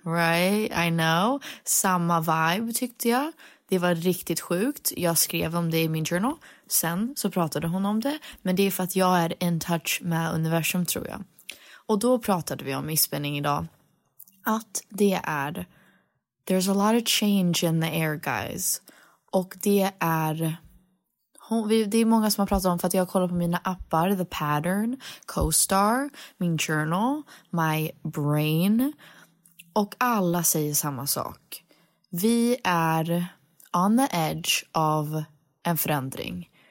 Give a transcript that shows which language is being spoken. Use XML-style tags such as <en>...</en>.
<sv>Right, I know. Samma vibe tyckte jag. Det var riktigt sjukt. Jag skrev om det i min journal. Sen så pratade hon om det. Men det är för att jag är in touch med universum, tror jag. Och då pratade vi om i spinning idag. Att det är...</sv> <en>There's a lot of change in the air, guys.</en> <sv>Och det är... Det är många som har pratat om, för att jag har kollat på mina appar. The Pattern, CoStar, min journal, my brain. Och alla säger samma sak. Vi är on the edge av en förändring.</sv>